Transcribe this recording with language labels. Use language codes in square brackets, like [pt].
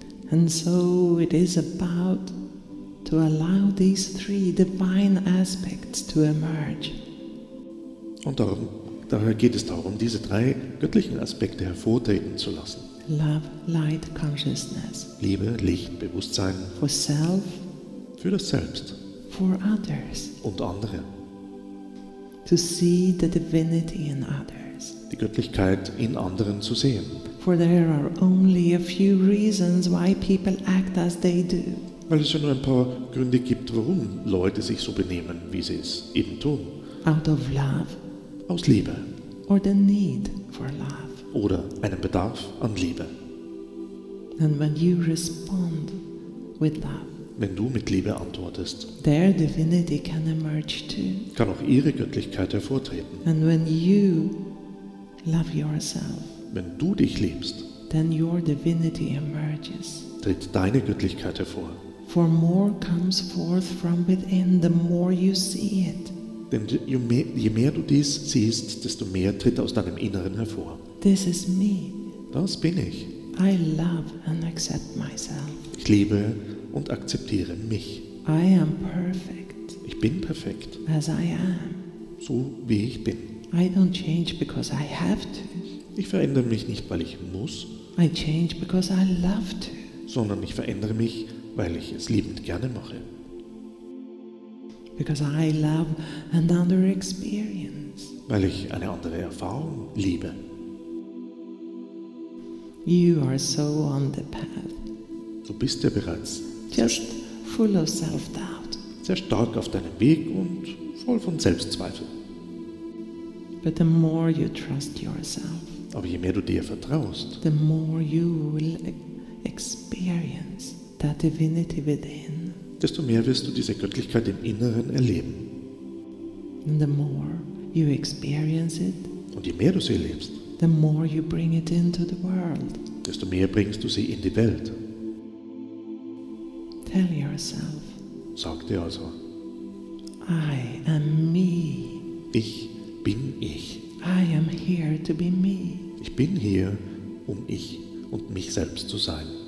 [en] And so it is about to allow these three divine aspects to emerge. [de] Und daher geht es darum, diese drei göttlichen Aspekte hervortreten zu lassen. [en] Love, light, consciousness. [de] Liebe, Licht, Bewusstsein. [en] For self. [de] Für das Selbst. [en] For others. [de] Und andere. [en] To see the divinity in others. [de] Die Göttlichkeit in anderen zu sehen. [en] For there are only a few reasons why people act as they do. [de] Weil es ja nur ein paar Gründe gibt, warum Leute sich so benehmen, wie sie es eben tun. [en] Out of love. [de] Aus Liebe. [en] Or the need for love. [de] Oder einen Bedarf an Liebe. [en] And when you respond with love. [de] Wenn du mit Liebe antwortest, [en] their divinity can emerge too. [de] Kann auch ihre Göttlichkeit hervortreten. [en] And when you love yourself, [de] wenn du dich liebst, [en] then your divinity emerges. [de] Tritt deine Göttlichkeit hervor. [en] For more comes forth from within, the more you see it. [de] Denn je mehr du dies siehst, desto mehr tritt aus deinem Inneren hervor. [en] This is me. [de] Das bin ich. [en] I love and accept myself. [de] Ich liebe und akzeptiere mich. [en] I am perfect. [de] Ich bin perfekt. [en] As I am. [de] So wie ich bin. [en] I don't change because I have to. [de] Ich verändere mich nicht, weil ich muss. [en] I change because I love to. [de] Sondern ich verändere mich, weil ich es liebend gerne mache. [en] Because I love another experience. [de] Weil ich eine andere Erfahrung liebe. [en] You are so on the path. [de] Du bist ja bereits [en] just full of self-doubt. [de] Sehr stark auf deinem Weg und voll von Selbstzweifel. [en] But the more you trust yourself, [de] aber je mehr du dir vertraust, [en] the more you will experience that divinity within. [de] Desto mehr wirst du diese Göttlichkeit im Inneren erleben. [en] And the more you experience it, [de] und je mehr du sie erlebst, [en] the more you bring it into the world. [de] Desto mehr bringst du sie in die Welt. [en] Tell yourself, [de] sag dir also, [en] I am me. [de] Ich bin ich. [en] I am here to be me. [de] Ich bin hier, um ich und mich selbst zu sein.